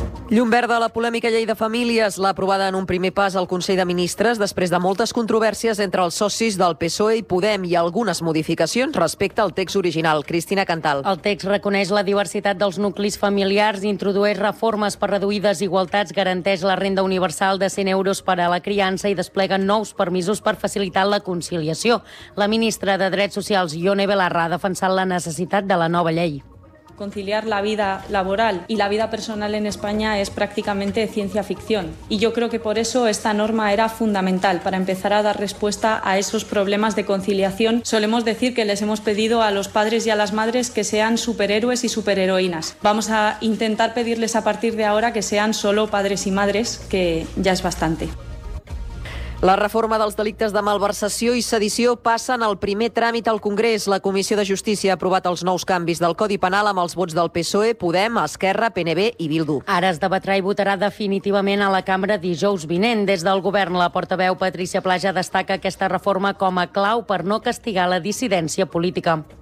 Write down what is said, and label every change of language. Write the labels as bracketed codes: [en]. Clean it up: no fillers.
[ca] Llum verda a la polèmica llei de famílies, l'ha aprovada en un primer pas al Consell de Ministres després de moltes controvèrsies entre els socis del PSOE i Podem i algunes modificacions respecte al text original. Cristina Cantal. El text reconeix la diversitat dels nuclis familiars, introdueix reformes per reduir desigualtats, garanteix la renda universal de 100 euros per a la criança i desplega nous permisos per facilitar la conciliació. La ministra de Drets Socials, Ione Belarra, ha defensat la necessitat de la nova llei. [es] Conciliar la vida laboral y la vida personal en España es prácticamente ciencia ficción. Y yo creo que por eso esta norma era fundamental, para empezar a dar respuesta a esos problemas de conciliación. Solemos decir que les hemos pedido a los padres y a las madres que sean superhéroes y superheroínas. Vamos a intentar pedirles a partir de ahora que sean solo padres y madres, que ya es bastante. [ca] La reforma dels delictes de malversació i sedició passa en el primer tràmit al Congrés. La Comissió de Justícia ha aprovat els nous canvis del Codi Penal amb els vots del PSOE, Podem, Esquerra, PNB i Bildu. Ara es debatrà i votarà definitivament a la cambra dijous vinent. Des del govern, la portaveu Patrícia Plaja destaca aquesta reforma com a clau per no castigar la dissidència política.